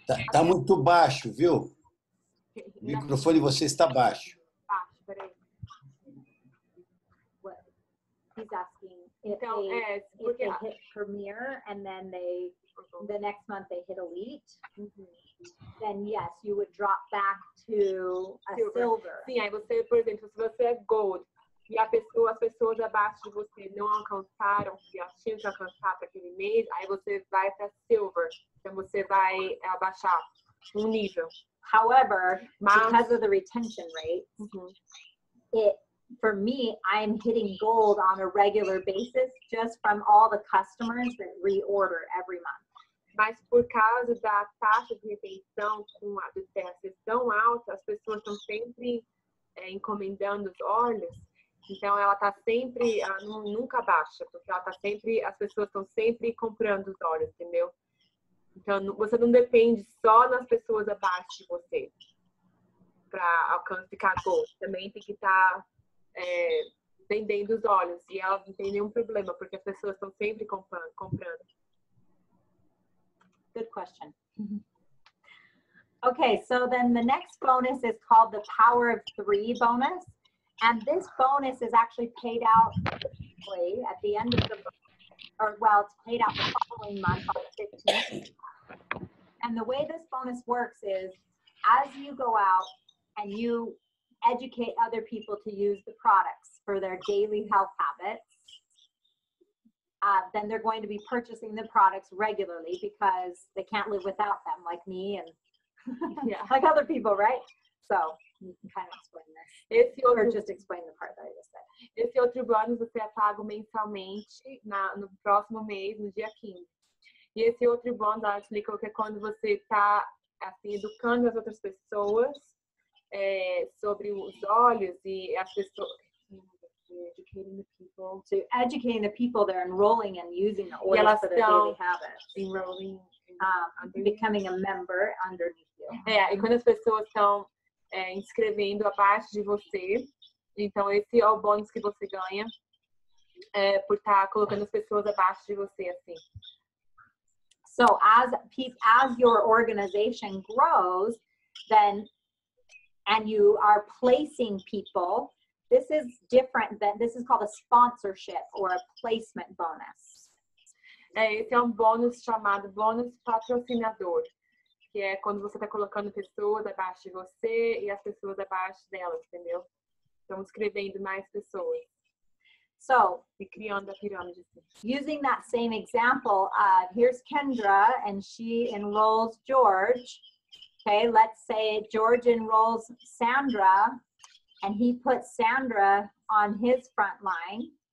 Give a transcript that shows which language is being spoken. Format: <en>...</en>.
<pt>tá muito baixo, viu? O microfone de vocês está baixo. Baixo, peraí.</pt> <en>He's asking if they hit Premier and then they the next month they hit Elite, then yes, you would drop back to a silver.</en> <pt>Sim, aí você, por exemplo, se você é gold e as pessoas abaixo de você não alcançaram, se tinham que alcançar para aquele mês, aí você vai para silver. Então você vai abaixar nível. However, because of the retention rate, for me, I'm hitting gold on a regular basis just from all the customers that reorder every month. Mas por causa da taxa de retenção com a adulterância tão alta, as pessoas estão sempre encomendando os óleos. Então, ela está sempre, ela nunca baixa, porque ela tá sempre, as pessoas estão sempre comprando os óleos, entendeu? Então, você não depende só das pessoas abaixo de você para alcançar gol. Também tem que estar vendendo os óleos. E ela não tem nenhum problema, porque as pessoas estão sempre comprando.</pt> <en>Good question. Okay, so then the next bonus is called the Power of Three bonus. And this bonus is actually paid out at the end of the month, it's paid out the following month on the 15th. And the way this bonus works is as you go out and you educate other people to use the products for their daily health habits, then they're going to be purchasing the products regularly because they can't live without them, like me and like other people, right? So you can kind of explain this. Just explain the part that I just said.</en> <pt>Esse outro bônus você é pago mensalmente no próximo mês, no dia 15. E esse outro bônus, ela explica que é quando você está educando as outras pessoas sobre os olhos e as pessoas...</pt> <en>Educating the people that are enrolling and using the oils for their daily habits. Enrolling. Becoming a member underneath you.</en> <pt>E quando as pessoas estão inscrevendo abaixo de você, então esse é o bônus que você ganha por estar colocando as pessoas abaixo de você, assim.</pt> <en>So, as your organization grows, then, and you are placing people, this is different than, this is called a sponsorship or a placement bonus.</en> <pt>Esse é bônus chamado bônus patrocinador, que é quando você está colocando pessoas abaixo de você e as pessoas abaixo delas, entendeu? Estamos escrevendo mais pessoas.</pt> <en>So,</en> <pt>e criando a pirâmide.</pt> <en>Using that same example, here's Kendra and she enrolls George. Okay, let's say George enrolls Sandra. And he puts Sandra on his front line.</en>